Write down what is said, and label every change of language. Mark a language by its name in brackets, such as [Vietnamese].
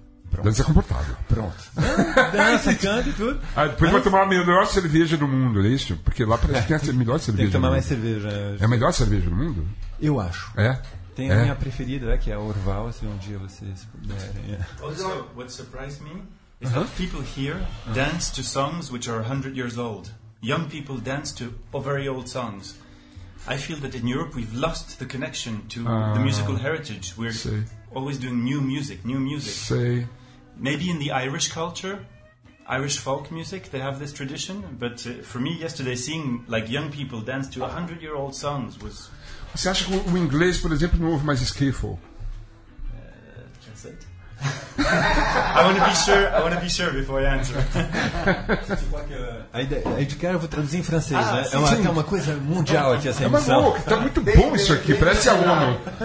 [Portuguese] Pronto. Dança comportado. Pronto. Dança, canta e tudo. Aí depois vai tomar a melhor cerveja do mundo, é isso? Porque lá parece que tem a melhor cerveja. Tem que tomar do mais mundo. Cerveja. É a melhor cerveja do mundo? Eu acho. É? Tem a minha preferida, que é a Orval, se um dia vocês puderem. [English] Also, what surprised me is that people here dance to songs which are 100 years old. Young people dance to very old songs. I feel that in Europe we've lost the connection to the musical heritage. We're always doing new music. Say. Maybe in the Irish culture, Irish folk music, they have this tradition. But for me, yesterday, seeing like young people dance to 100-year-old songs was... [Portuguese] Você acha que o inglês, por exemplo, não ouve mais skiffle? [English] I want to be sure before I answer. [Portuguese] Aí de cara eu vou traduzir em francês, né? É uma coisa mundial aqui essa emissão. Tá muito bom isso aqui, parece a ONU.